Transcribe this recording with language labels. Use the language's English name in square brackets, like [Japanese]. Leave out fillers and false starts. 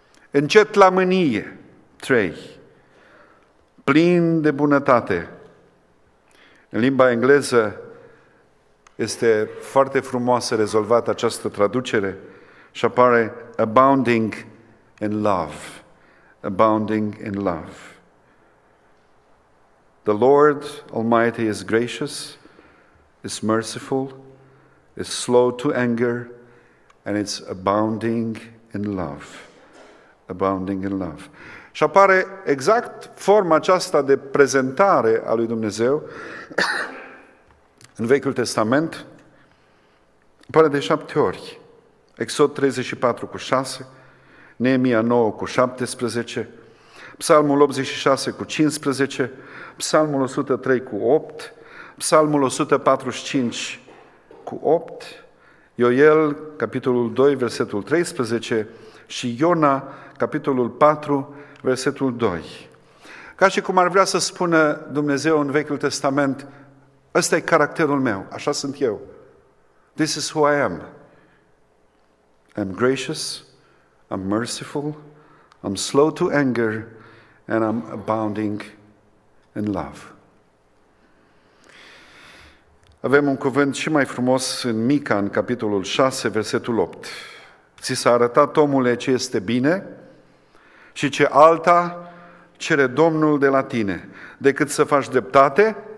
[Romanian] Încet la mânie. 3. Plin de bunătate. În limba engleză este foarte frumoasă rezolvată această traducere și apare [English] abounding in love. Abounding in love. The Lord Almighty is gracious, is merciful, is slow to anger, and it's abounding in love. Abounding in love. [Romanian] Și apare exact forma aceasta de prezentare a lui Dumnezeu în Vechiul Testament, apare de 7 ori. Exod 34 cu 6, Neemia 9 cu 17, Psalmul 86 cu 15, Psalmul 103 cu 8, Psalmul 145 cu 8, Ioel, capitolul 2, versetul 13 și Iona, capitolul 4, versetul 2. Ca și cum ar vrea să spună Dumnezeu în Vechiul Testament: ăsta e caracterul meu, așa sunt eu. [English] This is who I am. I'm gracious, I'm merciful, I'm slow to anger, and I'm abounding in love. [Romanian] Avem un cuvânt și mai frumos în Mica, în capitolul 6, versetul 8. Ți s-a arătat, omule, ce este bine și ce alta cere Domnul de la tine, decât să faci dreptate.